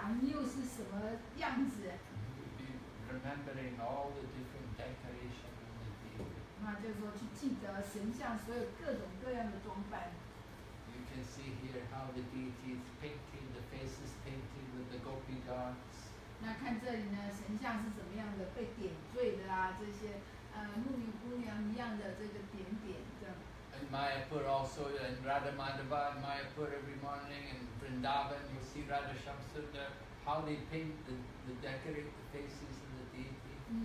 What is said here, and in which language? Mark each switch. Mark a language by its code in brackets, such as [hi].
[zh] 然后他的像他的手环又是什么样子？ [en] Remembering all the different decoration in the day. [zh] 那就是说去记得神像所有各种各样的装扮。 [en] You can see here how the deity is painted, the face is painted with the gopi gods. [zh] 那看这里呢，神像是怎么样的被点缀的啊？这些，沐浴姑娘一样的这个点点，这样。 [en] In Mayapur also, in Radha Madhava, in Mayapur every morning, in Vrindavan, you see Radha Shamsunda, how they paint the decorate the faces of the deity.